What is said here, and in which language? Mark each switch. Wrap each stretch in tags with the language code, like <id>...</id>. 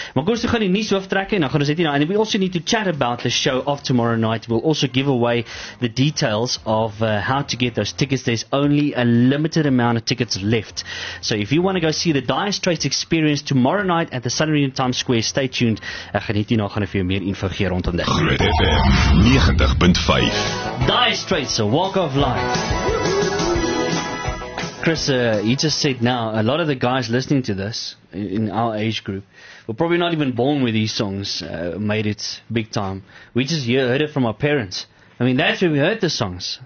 <af>Maar kom, so gaan die nuus hoofdtrek en dan gaan ons net hier nou.</af> <en>And we also need to chat about the show of tomorrow night. We'll also give away the details of how to get those tickets. There's only a limited amount of tickets left. So if you want to go see the Dire Straits Experience tomorrow night at the Sun Arena Times Square, stay tuned.</en> <af>Ek gaan net hier nou gaan vir jou meer info gee rondom dit. Groot FM 90.5.</af> <en>Dire Straits, a walk of life. Chris, you just said now, a lot of the guys listening to this in our age group were probably not even born when these songs made it big time. We just heard it from our parents. I mean, that's when we heard the songs.</en>